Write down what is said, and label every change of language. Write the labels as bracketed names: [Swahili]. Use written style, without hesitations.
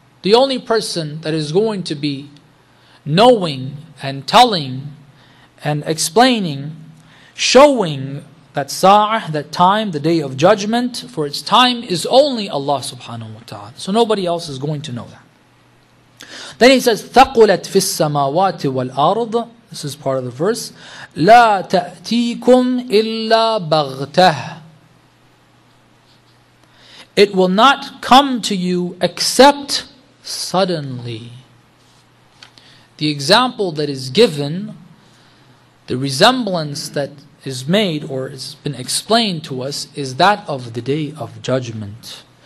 [English] The only person that is going to be knowing and telling and explaining, showing that sa'ah, that time, the Day of Judgment, for its time is only Allah subhanahu wa ta'ala. So nobody else is going to know that. Then he says, [Arabic] ثَقُلَتْ فِي السَّمَاوَاتِ وَالْأَرْضِ. [English] This is part of the verse. [Arabic] لَا تَأْتِيكُمْ إِلَّا بَغْتَهُ. [English] It will not come to you except suddenly. The example that is given, the resemblance that is made or has been explained to us is that of the Day of Judgment.